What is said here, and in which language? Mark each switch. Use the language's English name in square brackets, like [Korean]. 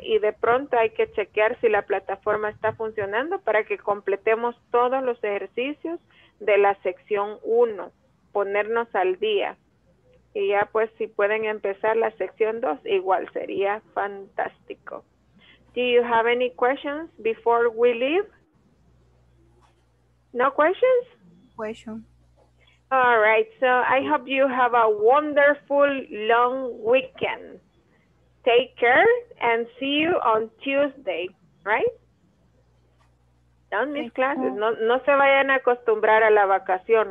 [Spanish] Y de pronto hay que chequear si la plataforma está funcionando para que completemos todos los ejercicios de la sección 1, ponernos al día. Y ya pues si pueden empezar la sección 2, igual sería fantástico. México. [English] Do you have any questions before we leave? No questions? Question. All right, so I hope you have a wonderful long weekend. Take care and see you on Tuesday, right? Don't miss classes. [Spanish] No, no se vayan a acostumbrar a la vacación.